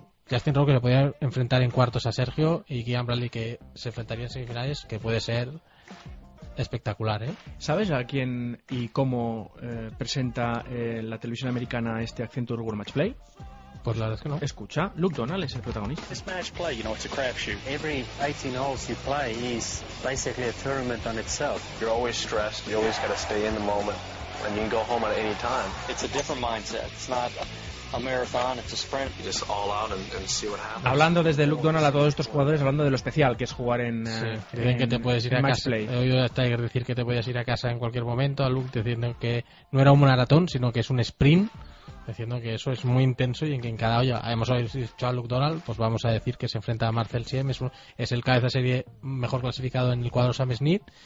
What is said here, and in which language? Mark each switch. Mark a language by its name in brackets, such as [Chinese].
[Spanish] Justin Rose, que se podría enfrentar en cuartos a Sergio, y Keegan Bradley, que se enfrentaría en semifinales, que puede ser espectacular, ¿eh? ¿Sabes a quién y cómo presenta la televisión americana este Accenture World Match Play? Pues la verdad es que no. Escucha, Luke Donald es el protagonista. [English] This match play, you know, it's a crapshoot. Every 18 holes you play is basically a tournament on itself. You're always stressed. You always got to stay in the moment, and you can go home at any time. It's a different mindset. It's not a marathon, it's a sprint. You just all out and see what happens. [Spanish] Hablando desde Luke Donald a todos estos jugadores, hablando de lo especial que es jugar en Sí, dicen que te puedes ir a casa. [English] Play. [Spanish] He oído a Tiger decir que te podías ir a casa en cualquier momento, a Luke diciendo que no era un maratón, sino que es un sprint, diciendo que eso es muy intenso y en que en cada olla, hemos dicho a Luke Donald, pues vamos a decir que se enfrenta a Marcel Siem, es el cabeza serie mejor clasificado en el cuadro Sam Smith,